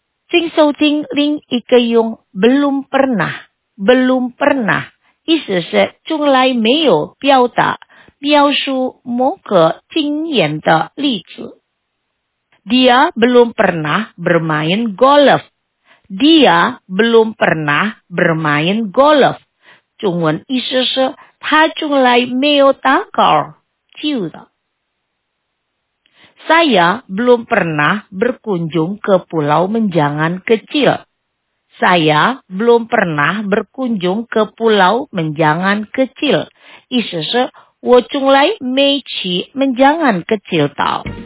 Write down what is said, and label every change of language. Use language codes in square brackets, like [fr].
[zh] 请收听另一个用 [id] belum pernah, belum pernah, [zh] 意思是从来没有表达描述某个经验的例子。 [id] Dia belum pernah bermain golf. Dia belum pernah bermain golf. [zh] 中文意思是他从来没有打高尔夫的。 [id] Saya belum pernah berkunjung ke Pulau Menjangan Kecil. Saya belum pernah berkunjung ke Pulau Menjangan Kecil. [zh] 意思是我从来没去Menjangan Kecil到。